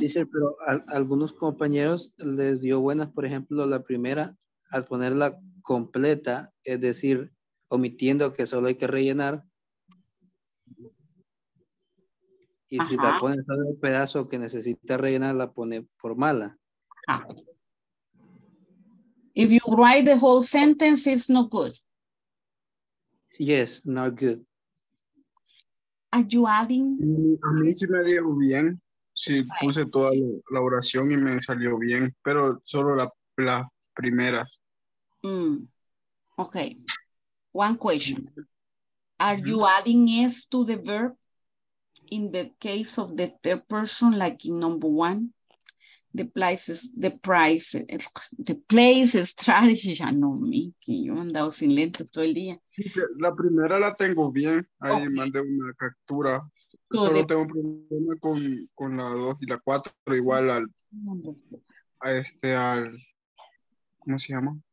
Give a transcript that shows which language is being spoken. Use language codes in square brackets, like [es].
[es] Sí, pero a algunos compañeros les dio buenas, por ejemplo, la primera, al ponerla completa, es decir, omitiendo que solo hay que rellenar. Y si la pone solo un pedazo que necesita rellenar, la pone por mala. Ajá. [en] If you write the whole sentence, it's not good. Yes, not good. Are you adding? [es] A mí sí me dio bien. Sí, puse toda la oración y me salió bien, pero solo la primera. [en] Mm. Okay. One question. Are you adding S to the verb in the case of the third person, like in number one? The places, the price, the place strategy. [es] Ya no, Miki, yo he andado sin lento todo el día. La primera la tengo bien. Ahí okay. mandé una captura. So solo tengo un problema con la 2 y la 4, igual al, ¿cómo se llama?